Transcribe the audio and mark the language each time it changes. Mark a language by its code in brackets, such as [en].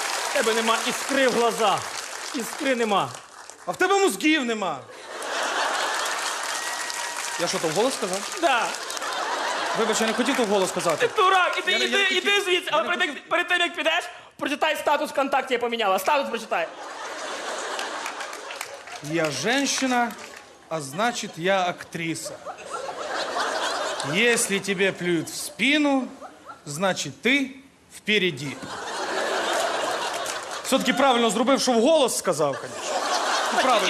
[uk] В тебе нема іскри [ru] в глазах. [uk] Іскри нема. А в тебе мозгів нема. Я що, то в голос сказав? Так. Да. Вибач, я не хотів то в голос сказати. Ти дурак, іди звідси, але перед тим, як підеш, прочитай статус ВКонтакті, я поміняла. Статус прочитай. [ru] Я женщина, а значить я актриса. Если тебе плюют в спину, значит ты впереди. [uk] Все-таки правильно зробив, що в голос сказав, [ru] конечно.